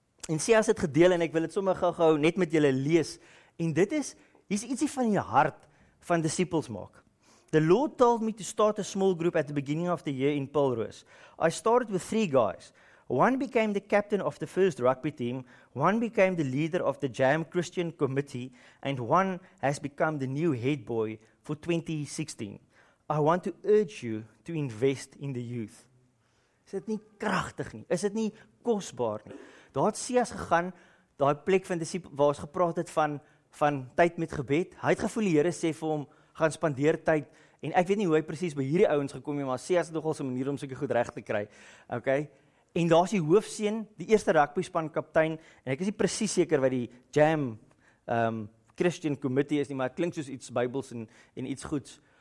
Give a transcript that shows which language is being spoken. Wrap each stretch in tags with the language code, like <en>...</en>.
<af>En Cias het gedeel en ek wil dit sommer gou-gou net met julle lees. En dit is, hier's ietsie van die hart van disciples maak.</af> <en>The Lord told me to start a small group at the beginning of the year in Pilrose. I started with 3 guys. One became the captain of the first rugby team, one became the leader of the Jam Christian Committee, and one has become the new head boy for 2016. I want to urge you to invest in the youth.</en> <af>Is dit nie kragtig nie? Is dit nie kosbaar nie? Daar het Cias gegaan, daai plek van disipel waar ons gepraat het van tyd met gebed. Hy het gevoel die Here sê vir hom gaan spandeer tyd en ek weet nie hoe hy presies by hierdie ouens gekom het, maar sê as dit nogal so 'n manier om sulke goed reg te kry. Okay? En daar's die hoofseun, die eerste rugby span kaptein en ek is nie presies seker wat die Jam Christian Committee is nie, maar dit klink soos iets Bybels en iets goeds.</af>